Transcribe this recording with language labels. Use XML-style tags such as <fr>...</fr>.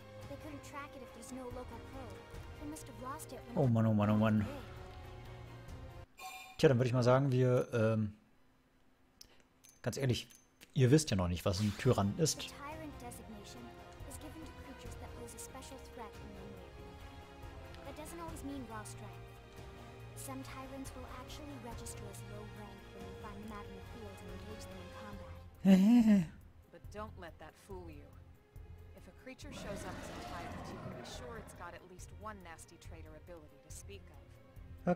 <en>They couldn't track it if there's no local code. They must have lost it. Oh man, oh man, oh man.</en> <de>Tja, dann würde ich mal sagen, wir, ganz ehrlich, ihr wisst ja noch nicht, was ein Tyrant ist.</de> <en>The tyrant designation is given to creatures that pose a special threat in the area. That doesn't always mean raw strength. Some tyrants will actually register as low rank when they find them out in the field and engage them in combat. But don't let that fool you. If a creature shows up as a tyrant, you can be sure it's got at least one nasty trait or ability to speak of.</en>